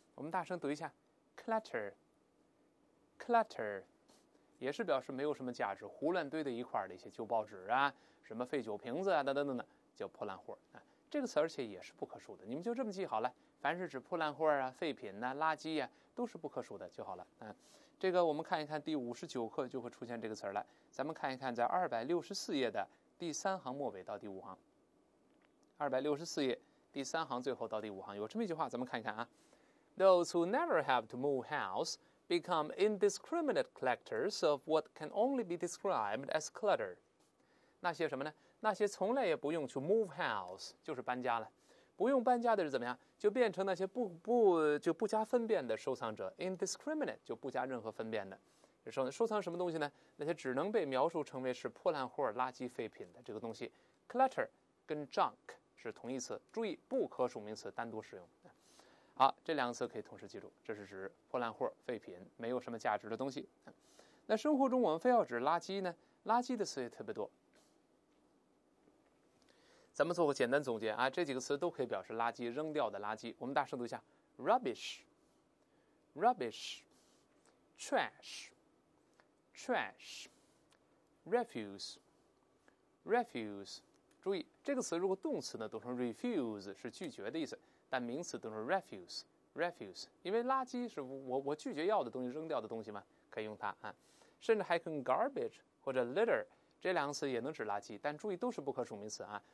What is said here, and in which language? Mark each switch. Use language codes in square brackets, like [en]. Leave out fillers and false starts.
[zh] 我们大声读一下 clutter clutter，也是表示没有什么价值，胡乱堆的一块的一些旧报纸啊，什么废酒瓶子啊，等等等等，叫破烂货、啊、这个词而且也是不可数的，你们就这么记好了，凡是指破烂货啊、废品啊、垃圾啊，都是不可数的就好了、啊、这个我们看一看第59课就会出现这个词了，咱们看一看在264页的第三行末尾到第五行，264页第三行最后到第五行有这么一句话，咱们看一看啊。 [en] Those who never have to move house become indiscriminate collectors of what can only be described as clutter. [zh] 那些什么呢？那些从来也不用去 [en] move house， [zh] 就是搬家了。不用搬家的是怎么样？就变成那些不加分辨的收藏者。 indiscriminate 就不加任何分辨的。收藏什么东西呢？那些只能被描述成为是破烂货、垃圾废品的这个东西。 clutter 跟 junk 是同义词，注意不可数名词单独使用。好，这两个词可以同时记住，这是指破烂货、废品，没有什么价值的东西。那生活中我们非要指垃圾呢？垃圾的词也特别多。咱们做个简单总结啊，这几个词都可以表示垃圾，扔掉的垃圾。我们大声读一下 ：rubbish， rubbish， trash， trash， refuse， refuse。注意，这个词如果动词呢，读成 refuse 是拒绝的意思。但名词都是 refuse， 因为垃圾是我拒绝要的东西，扔掉的东西嘛，可以用它啊。甚至还跟 garbage 或者 litter 这两个词也能指垃圾，但注意都是不可数名词啊。